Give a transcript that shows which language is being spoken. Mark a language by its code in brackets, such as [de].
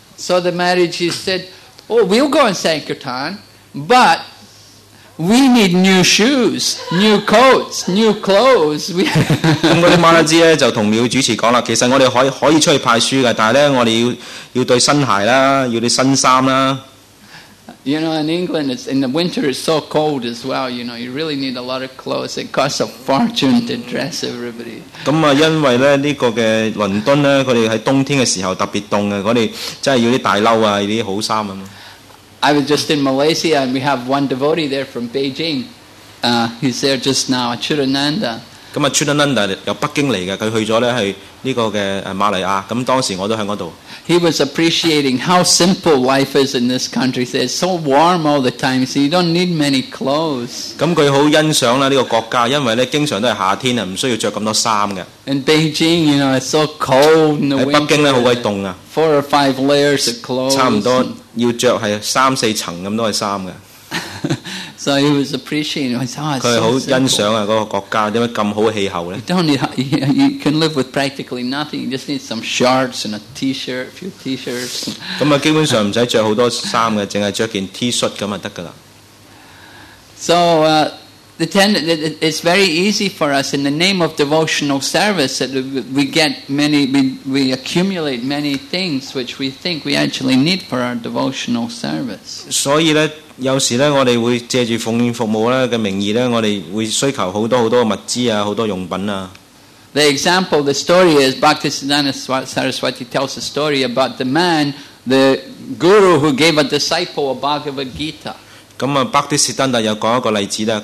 [en] So the marriage said, "Oh, we'll go on Sankirtan, but we need new shoes, new coats, new clothes." [yue] 咁嗰啲马拉兹咧就同庙主持讲啦，其实我哋可以出去派书嘅，但系咧我哋要对新鞋啦，要对新衫啦。 [en] You know, in England, it's in the winter. It's so cold as well. You know, you really need a lot of clothes. It costs a fortune to dress everybody. [yue] 咁啊，因为咧呢个嘅伦敦咧，佢哋喺冬天嘅时候特别冻嘅，佢哋真系要啲大褛啊，啲好衫啊。 [en] I was just in Malaysia, and we have one devotee there from Beijing. He's there just now, Chudananda. [yue] 咁啊 ，Chudananda 由北京嚟嘅，佢去咗咧系呢个嘅马来亚。咁当时我都喺嗰度。 [en] He was appreciating how simple life is in this country. He said, "It's so warm all the time, so you don't need many clothes." [yue] 咁佢好欣賞啦呢個國家，因為咧經常都係夏天啊，唔需要著咁多衫嘅。 [en] In Beijing, you know, it's so cold in the winter. [yue] 喺北京咧好鬼凍啊。 [en] Four or five layers of clothes. [yue] 差唔多要著係三四層咁多嘅衫嘅。 [en] So he was appreciating. He said, [yue] oh, 好欣賞啊嗰個國家點解咁好氣候咧 [en] ？Don't need, you can live with practically nothing. You just need some shorts and a T-shirt, a few T-shirts. [yue] 咁啊，基本上唔使著好多衫嘅，淨係著件 T-恤 咁啊得噶啦。 [en] So it's very easy for us in the name of devotional service that we accumulate many things which we think we actually need for our devotional service. [yue] 所以咧。有時咧，我哋會借住奉獻服務咧嘅名義咧，我哋會需求好多好多物資啊，好多用品啊。 [en] The example, the story is Bhaktisiddhanta Saraswati tells a story about the man, the guru who gave a disciple a Bhagavad Gita. [yue] 咁啊，巴迪士丹達又講一個例子啦。